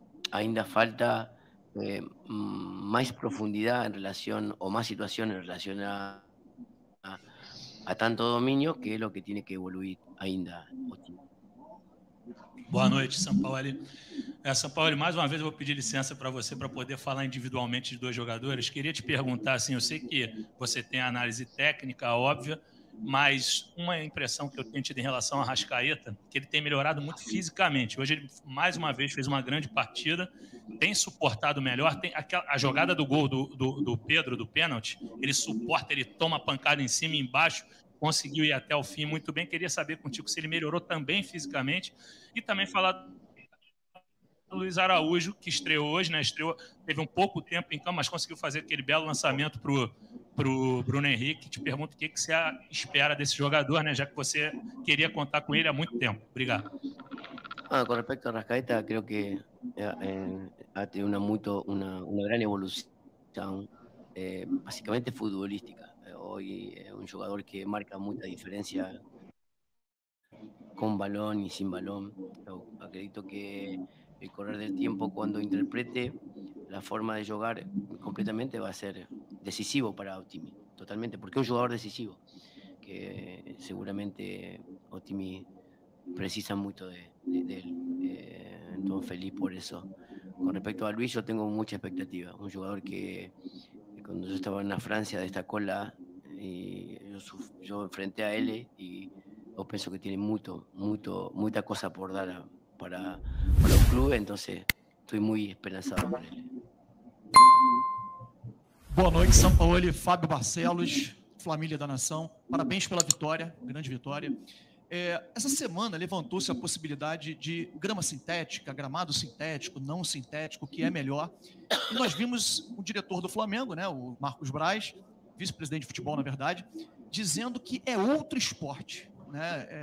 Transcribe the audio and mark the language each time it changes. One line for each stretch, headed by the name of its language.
Spanish: Ainda falta más profundidad en relación, o más situación en relación a tanto dominio, que es lo que tiene que evoluir ainda Otimi.
Portuguese: Boa noite, Sampaoli. Sampaoli, mais uma vez eu vou pedir licença para você para poder falar individualmente de dois jogadores. Queria te perguntar, assim, eu sei que você tem análise técnica óbvia, mas uma impressão que eu tenho tido em relação ao Arrascaeta, que ele tem melhorado muito fisicamente. Hoje ele, mais uma vez, fez uma grande partida, tem suportado melhor. Tem a jogada do gol do Pedro, do pênalti, ele suporta, ele toma pancada em cima e embaixo, conseguiu ir até o fim muito bem. Queria saber contigo se ele melhorou também fisicamente. E também falar do Luiz Araújo, que estreou hoje, né? Estreou, teve um pouco tempo em campo, mas conseguiu fazer aquele belo lançamento para o Bruno Henrique. Te pergunto o que você espera desse jogador, né? Já que você queria contar com ele há muito tempo. Obrigado. Com respeito
Spanish: a Arrascaeta, creo que ha tenido una gran evolución, básicamente futbolística. Hoy es un jugador que marca mucha diferencia con balón y sin balón. Yo acredito que el correr del tiempo, cuando interprete la forma de jugar completamente, va a ser decisivo para Otimi, totalmente, porque es un jugador decisivo, que seguramente Otimi precisa mucho de él. Entonces, feliz por eso. Con respecto a Luis, yo tengo mucha expectativa. Un jugador que cuando yo estaba en la Francia destacó la y yo enfrenté a él y yo pienso que tiene mucha cosa por dar para el club, entonces estoy muy esperanzado con él.
Portuguese: Boa noite, Sampaoli, Fábio Barcelos, família da Nação. Parabéns pela vitória, grande vitória. Essa semana levantou-se a possibilidade de grama sintética, gramado sintético, não sintético, que é melhor. E nós vimos o diretor do Flamengo, né, o Marcos Braz, vice-presidente de futebol, na verdade, dizendo que é outro esporte, né?